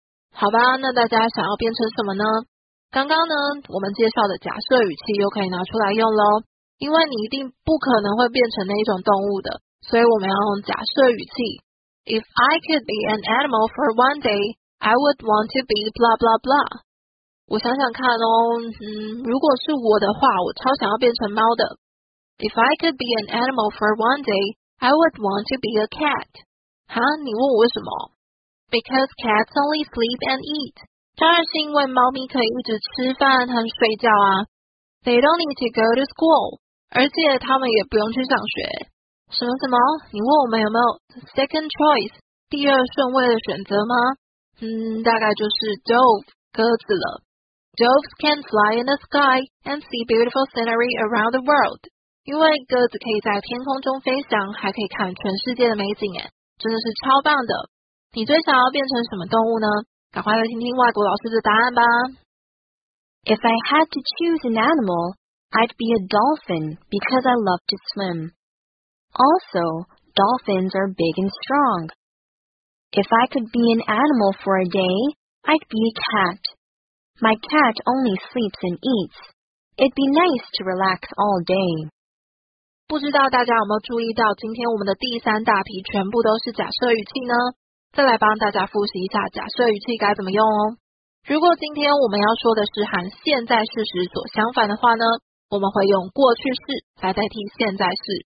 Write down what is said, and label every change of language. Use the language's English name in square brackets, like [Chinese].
[Chinese] 好吧，那大家想要变成什么呢？刚刚呢，我们介绍的假设语气又可以拿出来用咯，因为你一定不可能会变成那一种动物的，所以我们要用假设语气。 [English] If I could be an animal for one day, I would want to be blah blah blah. [Chinese] 我想想看哦，如果是我的话，我超想要变成猫的。 [English] If I could be an animal for one day, I would want to be a cat. [Chinese] 哈，你问我为什么？ [English] Because cats only sleep and eat. [Chinese] 当然是因为猫咪可以一直吃饭和睡觉啊。 [English] They don't need to go to school. [Chinese] 而且他们也不用去上学。什么什么？你问我们有没有 second choice, 第二顺位的选择吗？大概就是 dove, 鸽子了。 [English] Doves can fly in the sky and see beautiful scenery around the world. [Chinese] 因为鸽子可以在天空中飞翔，还可以看全世界的美景耶，真的是超棒的。你最想要变成什么动物呢？赶快来听听外国老师的答案吧。 [English] If I had to choose an animal, I'd be a dolphin because I love to swim. Also, dolphins are big and strong. If I could be an animal for a day, I'd be a cat. My cat only sleeps and eats. It'd be nice to relax all day. [Chinese] 不知道大家有没有注意到今天我们的第三大题全部都是假设语气呢？再来帮大家复习一下假设语气该怎么用哦。如果今天我们要说的是和现在事实所相反的话呢，我们会用过去式来代替现在式。